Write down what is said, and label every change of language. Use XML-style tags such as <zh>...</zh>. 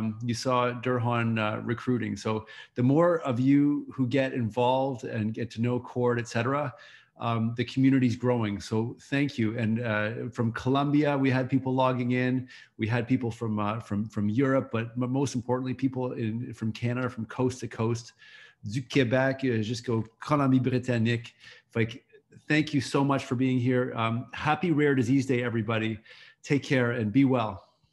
<en>You saw Durhan recruiting. So the more of you who get involved and get to know CORD, et cetera, the community's growing. So thank you. And from Colombia, we had people logging in. We had people from Europe, but most importantly, people from Canada, from coast to coast.</en> <fr>Du Québec, jusqu'au Colombie-Britannique.</fr> <en>Like, thank you so much for being here. Happy Rare Disease Day, everybody. Take care and be well.</en>